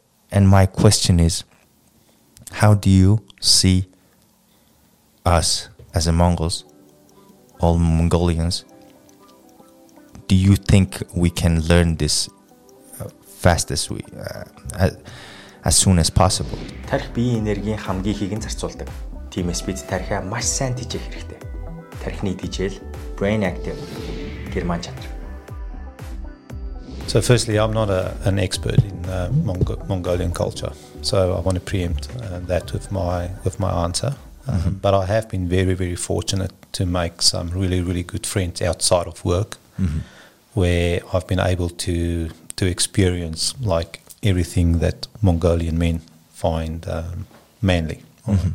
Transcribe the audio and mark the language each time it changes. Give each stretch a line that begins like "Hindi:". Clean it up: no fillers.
English: And my question is, how do you see us as a Mongols, all Mongolians? Do you think we can learn this as soon as possible?
Mongolian: Тэрх бие энергийн хамгийн ихийг нь зарцуулдаг. Тиймээс бид тархиа маш сайн тэжээх хэрэгтэй. Тархины тэжээл, brain active, герман чанар.
English: So firstly, I'm not an expert in Mongolian culture, so I want to preempt that with my answer. But I have been very, very fortunate to make some really, really good friends outside of work, where I've been able to experience like everything that Mongolian men find manly. Mm-hmm.